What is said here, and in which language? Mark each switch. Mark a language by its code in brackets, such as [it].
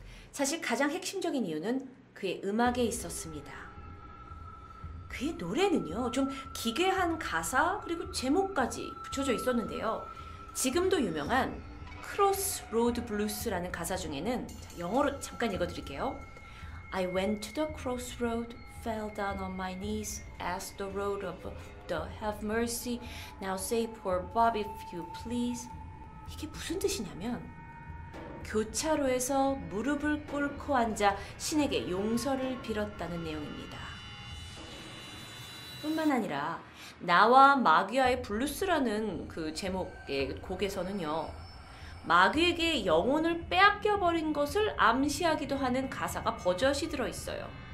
[ko] 사실 가장 핵심적인 이유는 그의 음악에 있었습니다. 그의 노래는요, 좀 기괴한 가사 그리고 제목까지 붙여져 있었는데요. 지금도 유명한 크로스로드 블루스라는 가사 중에는 영어로 잠깐 읽어드릴게요. [en] I went to the crossroad, fell down on my knees, asked the road of the have mercy, now say poor Bob if you please. [ko] 이게 무슨 뜻이냐면 교차로에서 무릎을 꿇고 앉아 신에게 용서를 빌었다는 내용입니다. 뿐만 아니라 나와 마귀와의 블루스라는 그 제목의 곡에서는요, 마귀에게 영혼을 빼앗겨버린 것을 암시하기도 하는 가사가 버젓이 들어있어요.